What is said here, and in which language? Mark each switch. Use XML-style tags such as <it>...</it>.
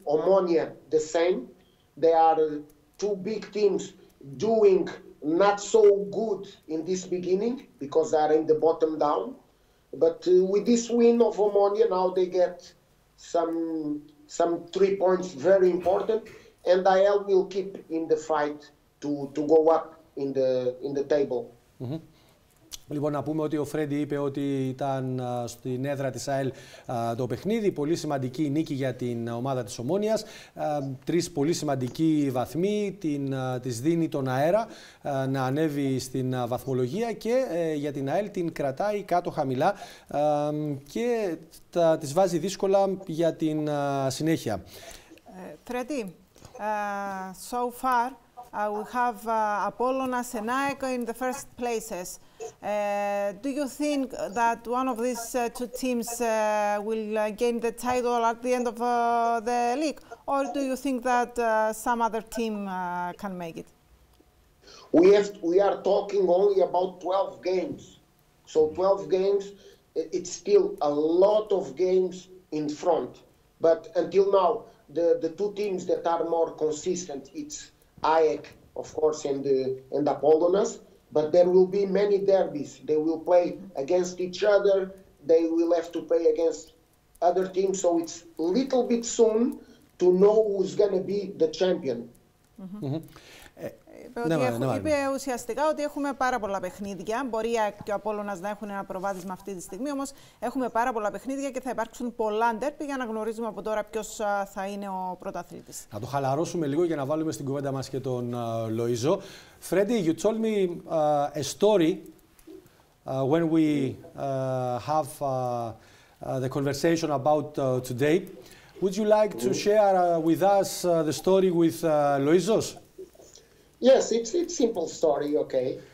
<en>Omonia, the same. They are two big teams doing not so good in this beginning because they are in the bottom down. But with this win of Omonia, now they get some 3 points, very important. And AEL will keep in the fight to go up in the table. Mm-hmm.</en> <el>Λοιπόν, να πούμε ότι ο Φρέντι είπε ότι ήταν στην έδρα της AEL το παιχνίδι. Πολύ σημαντική νίκη για την ομάδα της Ομόνιας. Τρεις πολύ σημαντικοί βαθμοί. Της δίνει τον αέρα να ανέβει στην βαθμολογία και για την AEL την κρατάει κάτω χαμηλά και της βάζει δύσκολα για την συνέχεια. Φρέντι.</el> <en>So far, we have Apollona and AEK in the first places. Do you think that one of these two teams will gain the title at the end of the league? Or do you think that some other team can make it? We are talking only about 12 games. So 12 games, it's still a lot of games in front. But until now, the two teams that are more consistent, it's AEK, of course, and Apollonas. But there will be many derbies. They will play against each other. They will have to play against other teams. So it's a little bit soon to know who's going to be the champion. Mm-hmm. Mm-hmm.</en> <el>Είπε ουσιαστικά ότι έχουμε πάρα πολλά παιχνίδια. Μπορεί και ο Απόλλωνας να έχουν ένα προβάδισμα αυτή τη στιγμή, όμως έχουμε πάρα πολλά παιχνίδια και θα υπάρξουν πολλά ντέρπι για να γνωρίζουμε από τώρα ποιος θα είναι ο πρωταθλητής. Θα το χαλαρώσουμε λίγο για να βάλουμε στην κουβέντα μας και τον Λοΐζο.</el> <en>Φρέντι, you told me a story when we have the conversation about today. Would you like to share with us the story with Loizos? Yes, it's a simple story, okay.</en>